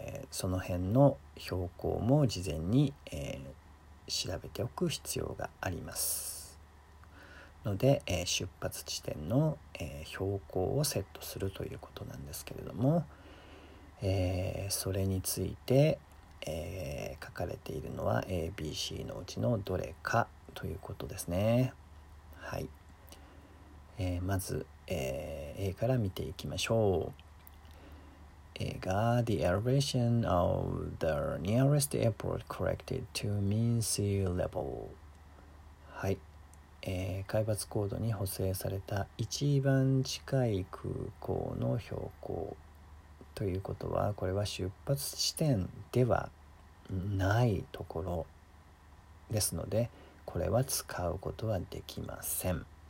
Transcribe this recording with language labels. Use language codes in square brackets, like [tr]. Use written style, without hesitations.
[ja] その辺の標高も事前に、調べておく必要がありますので、出発地点の、標高をセットするということなんですけれども、それについて、書かれているのは ABC のうちのどれかということですね。はい、まず、A から見ていきましょう。 [en] A が The elevation of the nearest airport corrected to mean sea level。 [ja] はい、海抜高度に補正された一番近い空港の標高ということは、これは出発地点ではないところですので、これは使うことはできません。